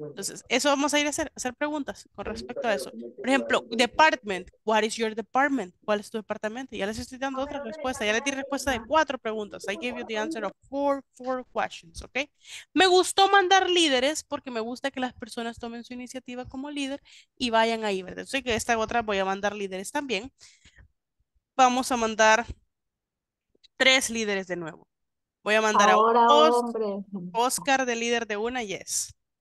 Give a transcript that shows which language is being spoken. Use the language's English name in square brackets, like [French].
[Spanish] Entonces, eso vamos a ir a hacer preguntas con respecto a eso. Por ejemplo, department. [English] What is your department? [Spanish] ¿Cuál es tu departamento? Ya les estoy dando otra respuesta. Ya les di respuesta de 4 preguntas. [English] I gave you the answer of 4 questions, ¿ok? [Spanish] Me gustó mandar líderes porque me gusta que las personas tomen su iniciativa como líder y vayan ahí, ¿verdad? Entonces, que esta otra voy a mandar líderes también. Vamos a mandar 3 líderes de nuevo. Voy a mandar ahora, a Oscar de líder de una, yes.